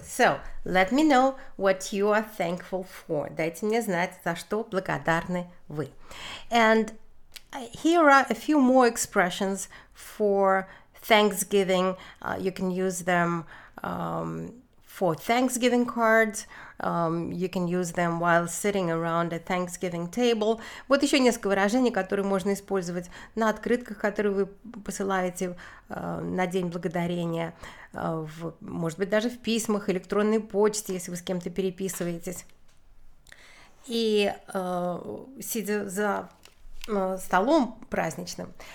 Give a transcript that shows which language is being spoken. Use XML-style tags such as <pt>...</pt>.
<en>So let me know what you are thankful for.</en> <ru>Дайте мне знать, за что благодарны вы.</ru> <en>And here are a few more expressions for Thanksgiving. You can use them for Thanksgiving cards. You can use them while sitting around a Thanksgiving table.</en> <ru>Вот еще несколько выражений, которые можно использовать на открытках, которые вы посылаете на День Благодарения, может быть, даже в письмах, электронной почте, если вы с кем-то переписываетесь. И сидя за столом праздничным.</ru>